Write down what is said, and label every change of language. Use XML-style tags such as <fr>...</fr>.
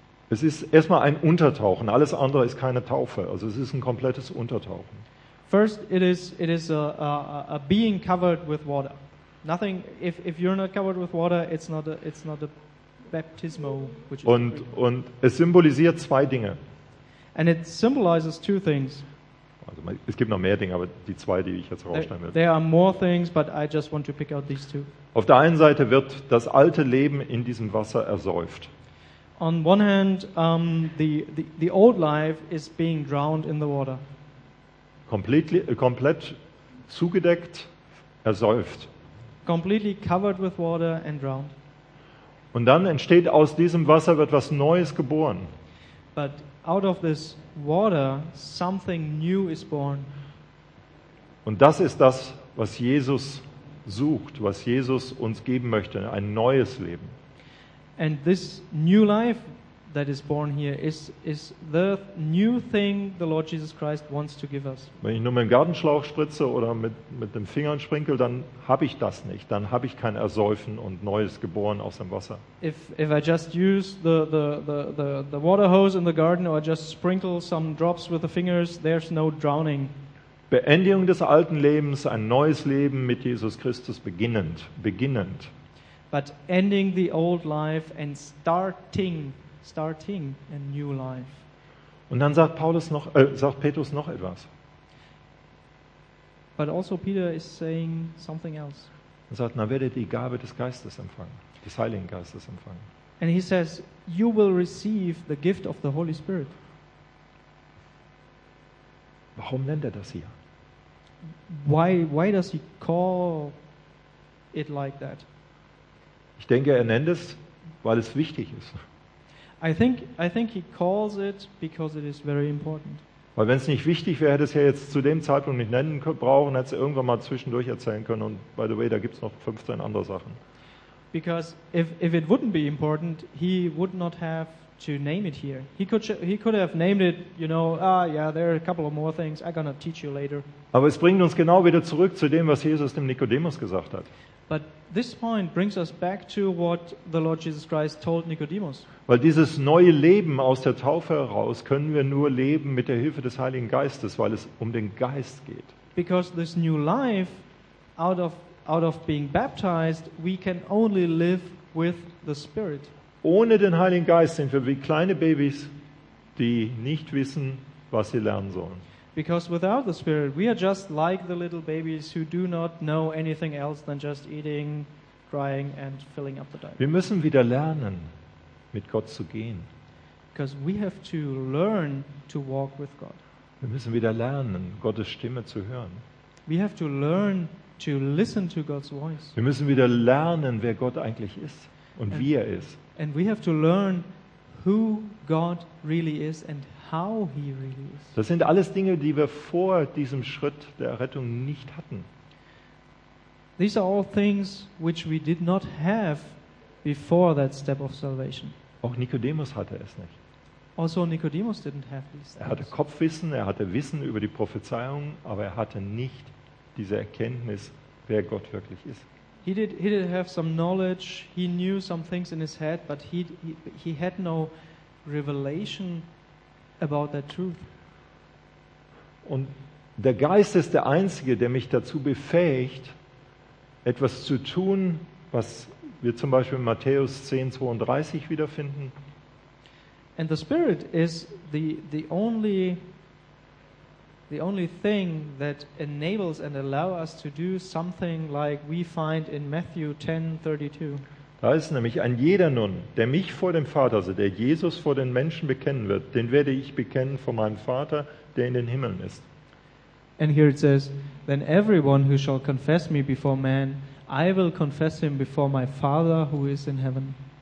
<de>Es ist erstmal ein Untertauchen. Alles andere ist keine Taufe. Also es ist ein komplettes Untertauchen.</de> <en>First, it is a being covered with water. Nothing. If you're not covered with water, it's not a baptismal. Which is</en> <de>und es symbolisiert zwei Dinge.</de> <en>And it symbolizes two things.</en> <de>Also es gibt noch mehr Dinge, aber die zwei, die ich jetzt rausstellen will.</de> <en>There are more things, but I just want to pick out these two.</en> <de>Auf der einen Seite wird das alte Leben in diesem Wasser ersäuft.</de> <en>On one hand, the old life is being drowned in the water.</en> <de>Komplett zugedeckt, ersäuft.</de> <en>Completely covered with water and drowned.</en> <de>Und dann entsteht aus diesem Wasser wird was Neues geboren.</de> <en>But out of this water, something new is born.</en> <de>Und das ist das, was Jesus sucht, was Jesus uns geben möchte, ein neues Leben.</de> <en>And this new life that is born here is the new thing the Lord Jesus Christ wants to give us.</en> <de>Wenn ich nur mit dem Gartenschlauch spritze oder mit den Fingern sprinkle, dann habe ich das nicht. Dann habe ich kein Ersäufen und Neues geboren aus dem Wasser.</de> <en>If I just use the water hose in the garden or just sprinkle some drops with the fingers, there's no drowning.</en> <de>Beendigung des alten Lebens, ein neues Leben mit Jesus Christus beginnend.</de> <en>But ending the old life and starting a new life.</en> <de>Und dann sagt Paulus noch, sagt Petrus noch etwas.</de> <en>But also Peter is saying something else.</en> <de>Er sagt, na werdet die Gabe des Geistes empfangen, des Heiligen Geistes empfangen.</de> <en>And he says, you will receive the gift of the Holy Spirit.</en> <de>Warum nennt er das hier?</de> <en>Why does he call it like that?</en> <de>Ich denke, er nennt es, weil es wichtig ist.</de> <en>I think he calls it because it is very important.</en> <de>Weil wenn es nicht wichtig wäre, hätte es ja jetzt zu dem Zeitpunkt nicht nennen brauchen, hätte es irgendwann mal zwischendurch erzählen können. Und</de> <en>by the way,</en> <de>da gibt es noch 15 andere Sachen.</de> <en>Because if it wouldn't be important, he would not have to name it here. He could have named it, you know, there are a couple of more things. I'm gonna teach you later.</en> <de>Aber es bringt uns genau wieder zurück zu dem, was Jesus dem Nikodemus gesagt hat.</de> <en>But this point brings us back to what the Lord Jesus Christ told Nicodemus.</en> <de>Weil dieses neue Leben aus der Taufe heraus können wir nur leben mit der Hilfe des Heiligen Geistes, weil es um den Geist geht.</de> <en>Because this new life out of being baptized, we can only live with the Spirit.</en> <de>Ohne den Heiligen Geist sind wir wie kleine Babys, die nicht wissen, was sie lernen sollen.</de> <en>Because without the Spirit, we are just like the little babies who do not know anything else than just eating, crying and filling up the diaper.</en> <de>Wir müssen wieder lernen, mit Gott zu gehen.</de> <en>Because we have to learn to walk with God.</en> <de>Wir müssen wieder lernen, Gottes Stimme zu hören.</de> <en>We have to learn to listen to God's voice.</en> <de>Wir müssen wieder lernen, wer Gott eigentlich ist und wie er ist.</de> <en>And we have to learn who God really is and how he really is.</en> <de>Das sind alles Dinge, die wir vor diesem Schritt der Errettung nicht hatten.</de> <en>These are all things which we did not have before that step of salvation.</en> <de>Auch Nikodemus hatte es nicht.</de> <en>Also Nicodemus didn't have these things.</en> <de>Er hatte Kopfwissen, er hatte Wissen über die Prophezeiung, aber er hatte nicht diese Erkenntnis, wer Gott wirklich ist.</de> <en>He did have some knowledge. He knew some things in his head, but he had no revelation about that truth.</en> <de>Und der Geist ist der einzige, der mich dazu befähigt, etwas zu tun, was wir zum Beispiel in Matthäus 10:32 wiederfinden.</de> <en>And the Spirit is the only thing that enables and allows us to do something like we find in Matthew 10:32.</en> <de>Da ist nämlich ein jeder nun, der mich vor dem Vater, also der Jesus vor den Menschen bekennen wird, den werde ich bekennen vor meinem Vater, der in den Himmeln ist.</de> <en>And here it says, then everyone who shall confess me before man, I will confess him before my Father who is in heaven.</en>